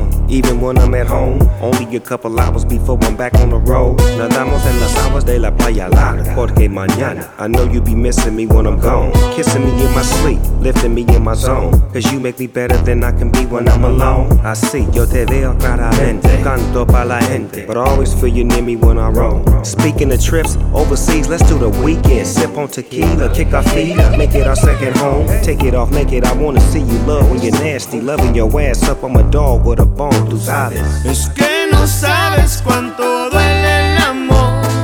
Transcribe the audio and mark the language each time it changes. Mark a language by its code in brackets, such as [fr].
[en] Even when I'm at home, only a couple hours before I'm back on the road. [es] Nadamos en las aguas de la playa larga, porque mañana [en] I know you be missing me when I'm gone. Kissing me in my sleep, lifting me in my zone. Cause you make me better than I can be when I'm alone. I see, [es] yo te veo claramente, canto pa' la gente. [en] But I always feel you near me when I roam. Speaking of trips, overseas, let's do the weekend. Sip on tequila, kick our feet up, make it our second home. Take it off, make it, I wanna see you love when you're nasty. Loving your ass up, I'm a dog with a bone. [es] Tú sabes. Es que no sabes cuánto duele el amor.